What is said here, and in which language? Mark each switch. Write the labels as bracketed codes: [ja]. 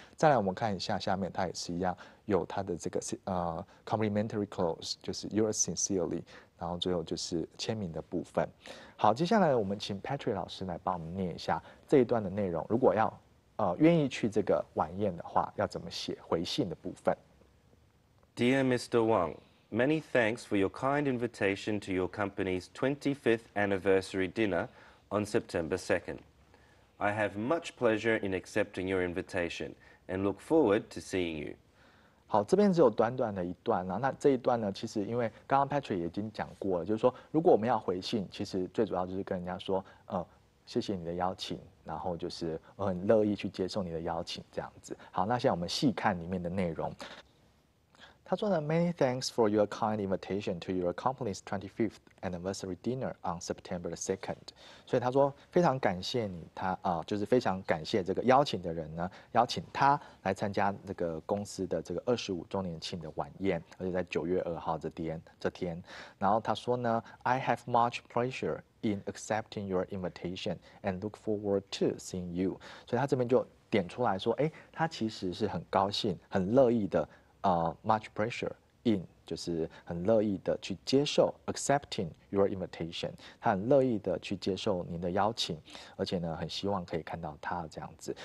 [zh] 再来我们看一下下面，他也是一样有他的这个complimentary clause， 就是 Yours sincerely。然后最后就是签名的部分。好，接下来我们请 Patrick 老师来帮我们念一下这一段的内容。如果要愿意去这个晚宴的话，要怎么写回信的部分 [en] ？Dear Mr. Wang, many thanks for your kind invitation to your company's 25th anniversary dinner on September 2nd. I have much pleasure in accepting your invitation and look forward to seeing you. [zh] 好，这边只有短短的一段啦。那这一段呢，其实因为刚刚 Patrick 也已经讲过了，就是说如果我们要回信，其实最主要就是跟人家说谢谢你的邀请，然后就是我很乐意去接受你的邀请这样子。好，那现在我们细看里面的内容。他说呢 [en] ，Many thanks for your kind invitation to your company's 25th anniversary dinner on September 2nd。 [zh] 所以他说非常感谢你，他就是非常感谢这个邀请的人呢，邀请他来参加这个公司的这个25周年庆的晚宴，而且在9月2号这天。然后他说呢 [en] ，I have much pleasure in accepting your invitation and look forward to seeing you。 [zh] 所以他这边就点出来说，哎，他其实是很高兴、很乐意的。 [en] Much pressure in [zh] 就是很乐意的去接受 [en] accepting your invitation， [zh] 他很乐意的去接受您的邀请，而且呢很希望可以看到他这样子。